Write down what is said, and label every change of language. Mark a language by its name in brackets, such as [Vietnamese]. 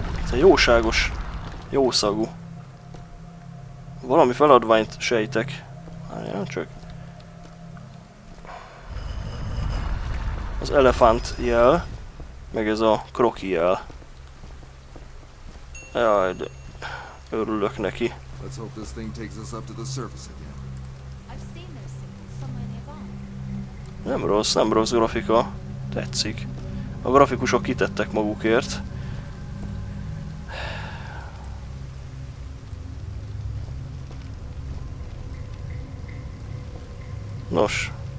[Hungarian] Te jóságos, jó szagú. Valami feladványt sejtek. Várjál csak. Az elefánt jel, meg ez a kroki jel. Jaj, de örülök neki. [English] Let's hope this thing takes us up to the surface again. I've seen this somewhere nearby. [Hungarian] Nem rossz, nem rossz grafika. Tetszik. A grafikusok kitettek magukért. Nos.